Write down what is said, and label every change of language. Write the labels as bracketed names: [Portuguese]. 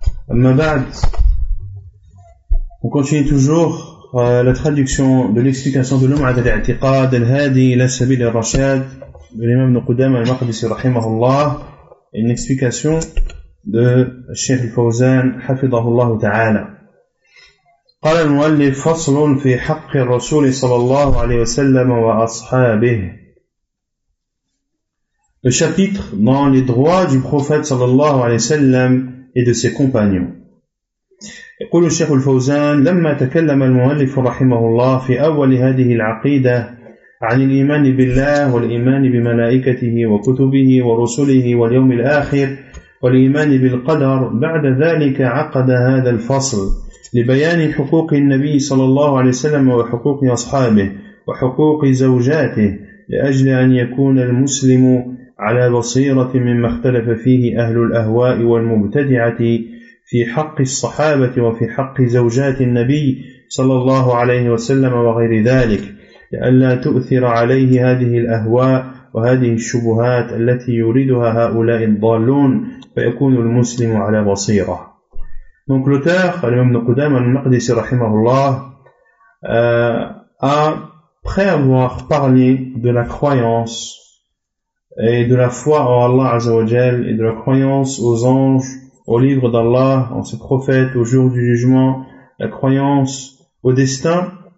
[Arabic] أما بعد, [French] on continue toujours la traduction de l'explication de l'um'ad al-i'tiqad al-hadi ila sabil al-rashad de l'imam Qudama al-Maqdisi rahimahullah, une explication de Cheikh al-Fawzan hafidhahullah ta'ala. [Arabic] قال المؤلف فصل في حق الرسول صلى الله عليه وسلم وأصحابه. [French] Le chapitre dans les droits du prophète [Arabic] صلى الله عليه وسلم [French] et de ses compagnons. [Arabic] يقول الشيخ الفوزان لما تكلم المؤلف رحمه الله في أول هذه العقيدة عن الإيمان بالله والإيمان بملائكته وكتبه ورسله واليوم الآخر والإيمان بالقدر بعد ذلك عقد هذا الفصل لبيان حقوق النبي صلى الله عليه وسلم وحقوق أصحابه وحقوق زوجاته لأجل أن يكون المسلم على بصيرة مما اختلف فيه أهل الأهواء والمبتدعة في حق الصحابة وفي حق زوجات النبي صلى الله عليه وسلم وغير ذلك لئلا تؤثر عليه هذه الأهواء وهذه الشبهات التي يريدها هؤلاء الضالون فيكون المسلم على بصيرة. [French] Donc l'auteur, l'imam Qudama al-Maqdisi rahimahullah, après avoir parlé de la croyance et de la foi en Allah azawajal et de la croyance aux anges, aux livres d'Allah, en ses prophètes, au jour du jugement, la croyance au destin,